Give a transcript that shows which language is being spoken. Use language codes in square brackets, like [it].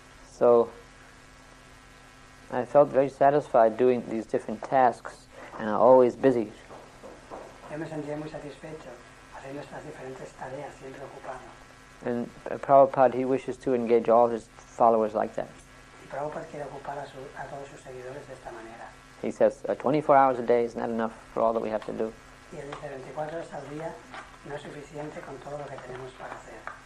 [en] So I felt very satisfied doing these different tasks, and I'm always busy. And Prabhupada, he wishes to engage all his followers like that. [es] Prabhupada quiere ocupar a todos sus seguidores de esta manera. [en] He says, 24 hours a day is not enough for all that we have to do. [es] Y él dice, 24 horas al día no es suficiente con todo lo que tenemos para hacer.